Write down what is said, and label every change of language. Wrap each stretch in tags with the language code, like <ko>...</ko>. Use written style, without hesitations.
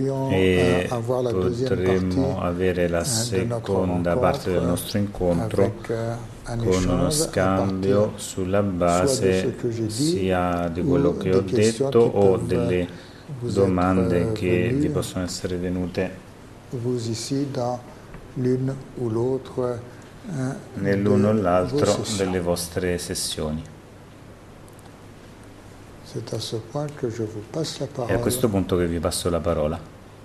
<it>E potremmo avere la seconda parte del nostro incontro con uno scambio sulla base sia di quello che ho detto o delle domande che vi possono essere venute</it> <fr>vous ici dans l'une ou l'autre</fr> <it>nell'uno o l'altro delle vostre sessioni.</it> <fr>C'est à ce point que je vous passe la parole.</fr> <it>È a questo punto che vi passo la parola.</it>